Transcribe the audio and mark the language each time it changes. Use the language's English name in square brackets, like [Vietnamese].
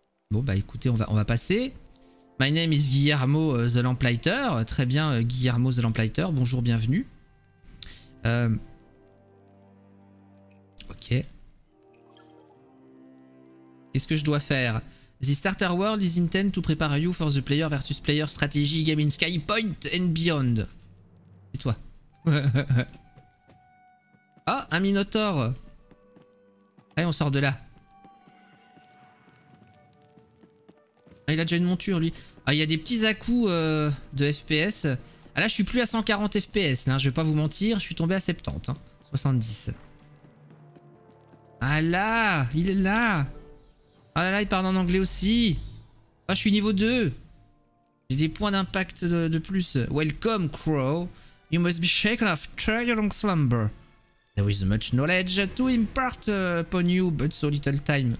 [French] Bon bah écoutez, on va passer. [English] My name is Guillermo the Lamplighter. [French] Très bien, Guillermo the Lamplighter. Bonjour, bienvenue. Ok. Qu'est-ce que je dois faire? [English] The starter world is intended to prepare you for the player versus player strategy game in Skypoint and beyond. [French] Et toi? Ah, oh, un Minotaur. Allez, on sort de là. Ah, il a déjà une monture lui. Ah, il y a des petits à-coups de FPS. Ah, là je suis plus à 140 FPS. Là, je vais pas vous mentir, je suis tombé à 70. Hein, 70. Ah là, il est là. Ah là là, il parle en anglais aussi. Ah, je suis niveau 2. J'ai des points d'impact de plus. [English] Welcome Crow. You must be shaken after your long slumber. There is much knowledge to impart upon you, but so little time.